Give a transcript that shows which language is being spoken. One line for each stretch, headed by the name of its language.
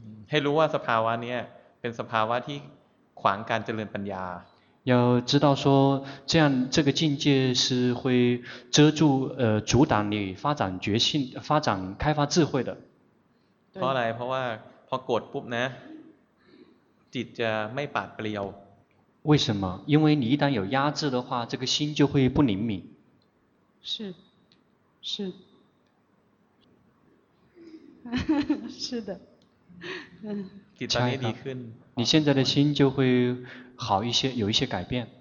Thai: ให้รู้ว่าสภาวะนี้เป็นสภาวะที่ขวางการเจริญปัญญา
Chinese: 要知道说这样这个境界是会遮住阻挡你发展觉性发展开发智慧的
Thai: เพราะอะไรเพราะว่าพอกดปุ๊บนะจิตจะไม่ปาดเปรียว
Chinese: 为什么因为你一旦有压制的话这个心就会不灵敏是是的
Thai: จิตตอนนี้ดีขึ้น
Chinese: 你现在的心就会好一些有一些改变